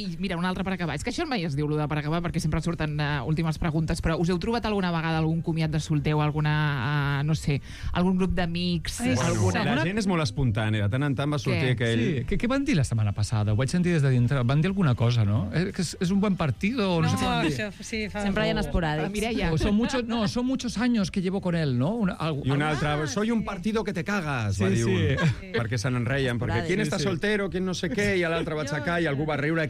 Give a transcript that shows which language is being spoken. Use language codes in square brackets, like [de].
[ca] I mira, una altra per acabar. És que això mai es diu, allò de per acabar, perquè sempre surten últimes preguntes, però us heu trobat alguna alguna vegada algun comiat de solter o alguna, no sé, algun grup d'amics? Bueno, la gent és molt espontània, de tant en tant va sortir què? Aquell... Sí, què van dir la setmana passada? Ho vaig sentir des de dintre. Van dir alguna cosa, no? És un bon partit o no sé què van dir? Sempre hi ha esporàdics. Mireia. [es] Son muchos años que llevo con él, ¿no? [ca] I un altre, [es] soy un partido que te cagas, [ca] va dir un. Perquè se n'enreien, perquè [es] quién está soltero, quién [ca] no sé què, i l'altre va aixecar i algú va riure.